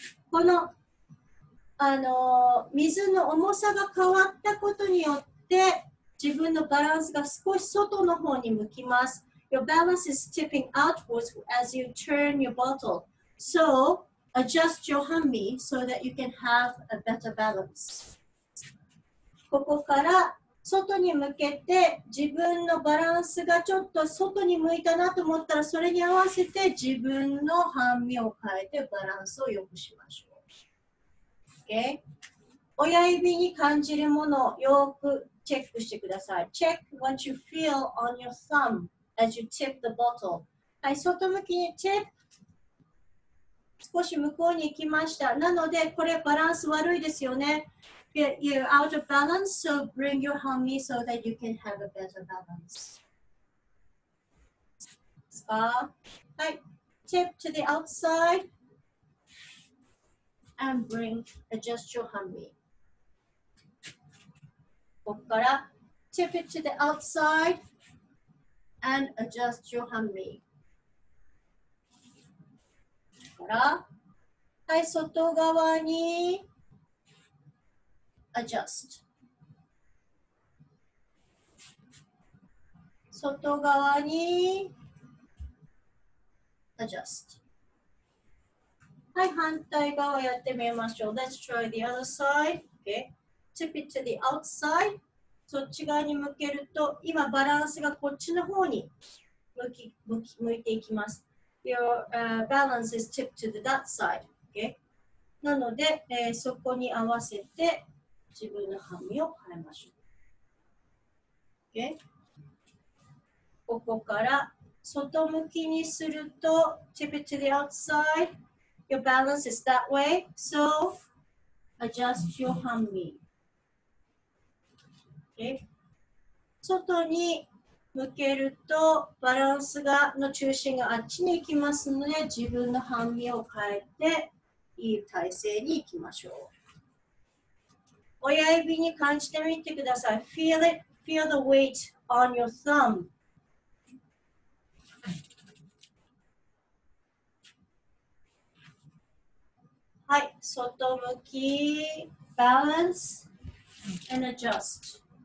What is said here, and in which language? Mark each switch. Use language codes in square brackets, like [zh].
[ja] この、水の重さが変わったことによって自分のバランスが少し外の方に向きます。 [en] Your balance is tipping outwards as you turn your bottle. So, adjust your hammy so that you can have a better balance. [ja] ここから外に向けて自分のバランスがちょっと外に向いたなと思ったらそれに合わせて自分のハンミを変えてバランスを良くしましょう。 [en] Okay? [ja] 親指に感じるものをよくチェックしてください。 [en] Check what you feel on your thumb as you tip the bottle. [ja] はい、外向きにチェック。少し向こうに行きました。なのでこれバランス悪いですよね。 [en] You're out of balance, so bring your hammy so that you can have a better balance. Hi. Tip to the outside and bring adjust your hammy. [ja] ここから [en] tip it to the outside and adjust your hammy. [ja] ここからはい外側に。 [en] Adjust. [ja] 外側に [en] Adjust. [ja] はい、反対側やってみましょう。 [en] Let's try the other side. Okay. Tip it to the outside. [ja] そっち側に向けると、今バランスがこっちの方に向いていきます。 [en] Your balance is tipped to the that side. Okay. [ja] なので、そこに合わせて自分のハミを変えましょう。 [en] Okay? [ja] ここから外向きにすると、 [en] tip it to the outside. Your balance is that way. So, adjust your ハミ。 Okay? [ja] 外に向けると、バランスがの中心があっちに行きますので、自分のハミを変えて、いい体勢に行きましょう。親指に感じてみてください。 [en] Feel it, feel the weight on your thumb. [ja] はい、外向き、 [en] balance, and adjust.